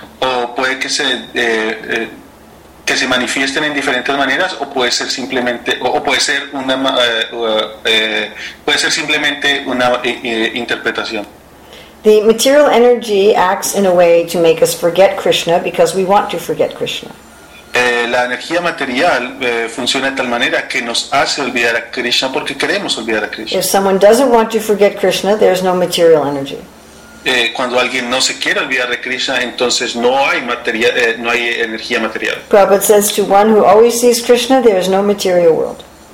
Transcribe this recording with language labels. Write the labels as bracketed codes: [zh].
[es] ¿O puede que se manifiesten en diferentes maneras, o puede ser simplemente una interpretación? [en] The material energy acts in a way to make us forget Krishna because we want to forget Krishna. [es] La energía material funciona de tal manera que nos hace olvidar a Krishna porque queremos olvidar a Krishna. [en] If someone doesn't want to forget Krishna, there's no material energy. [es] Cuando alguien no se quiere olvidar de Krishna, entonces no hay energía material. [en] Prabhupada says to one who always sees Krishna, there is no material world.